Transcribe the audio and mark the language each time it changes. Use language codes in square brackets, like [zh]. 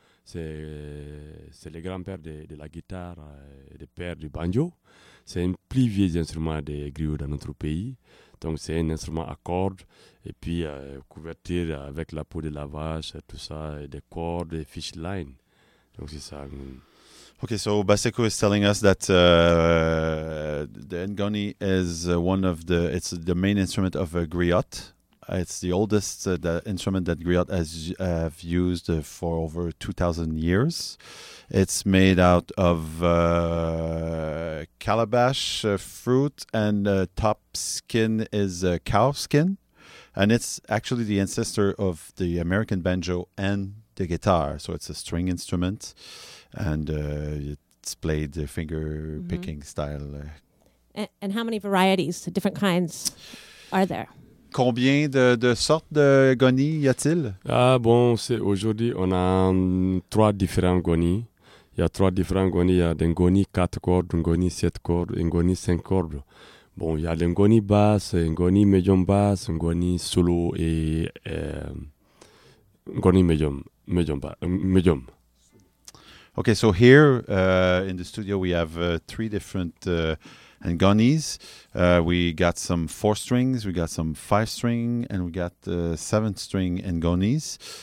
[fr] C'est le grand-père de la guitare et le père du banjo. C'est un plus vieux instrument de griot dans notre pays. Donc, c'est un instrument à cordes et puis couverture avec la peau de la vache, tout ça, et des cordes, des [en] fish line. [fr] Donc, c'est ça. [en] Okay, so Basakul is telling us that the Ngoni is one of the main instrument of a griot. It's the oldest the instrument that Griot has used for over 2,000 years. It's made out of calabash fruit, and the top skin is cow skin. And it's actually the ancestor of the American banjo and the guitar. So it's a string instrument, and it's played the finger-picking mm-hmm. style. And how many varieties, different kinds, are there? [fr] Combien de sortes de gonis y a-t-il? Ah bon, c'est aujourd'hui on a trois différents gonis. Il y a trois différents gonis. Il y a des gonis quatre cordes, une gonis sept cordes, une gonis cinq cordes. Bon, il y a des gonis basses, une gonis médium basse, une gonis solo et gonis médium. [en] Okay, so here in the studio we have three different and gonis. We got some four strings, we got some five string, and we got seven string and gonis.